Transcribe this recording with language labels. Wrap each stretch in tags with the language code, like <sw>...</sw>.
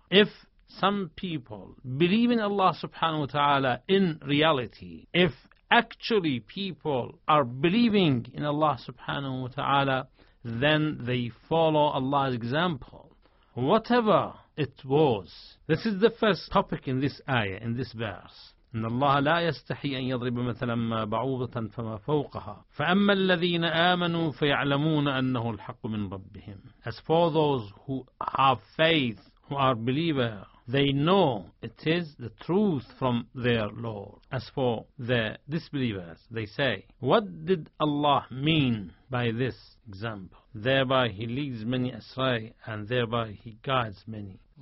<en>If some people believe in Allah subhanahu wa ta'ala in reality, if actually people are believing in Allah subhanahu wa ta'ala, then they follow Allah's example, whatever it was. This is the first topic in this ayah, in this verse.</en> <ar>إن الله لا يستحي أن يضرب مثلا ما بعوضة فما فوقها فأما الذين آمنوا فيعلمون أنه الحق من ربهم.</ar> <en>As for those who have faith, who are believers, they know it is the truth from their Lord. As for the disbelievers, they say, what did Allah mean by this example? Thereby he leads many astray and thereby he guides many.</en>